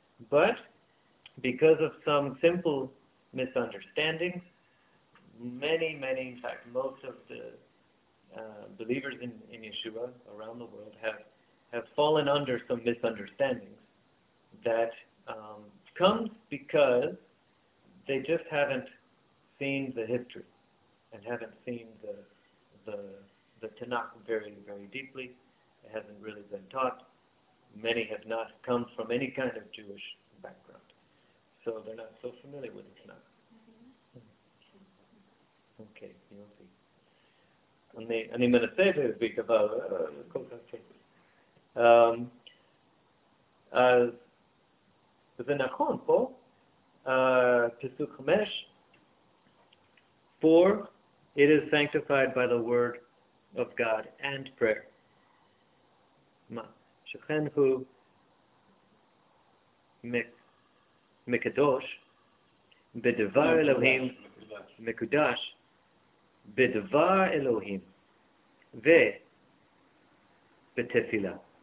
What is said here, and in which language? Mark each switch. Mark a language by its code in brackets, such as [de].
[en] But because of some simple misunderstandings, many, many, in fact, most of the believers in Yeshua around the world have fallen under some misunderstandings that comes because they just haven't seen the history and haven't seen the Tanakh very, very deeply. It hasn't really been taught. Many have not come from any kind of Jewish background. So they're not so familiar with the Tanakh. Mm-hmm. Okay, you'll see. [he] אני מנסה להסביר, אבל כל כך אז זה נכון פה. Pesuk Chamesh, [en] for it is sanctified by the word of God and prayer. [he] מה? שכן הוא מקדוש בדבר אלוהים, מקודש בדבר אלוהים ובתפילה.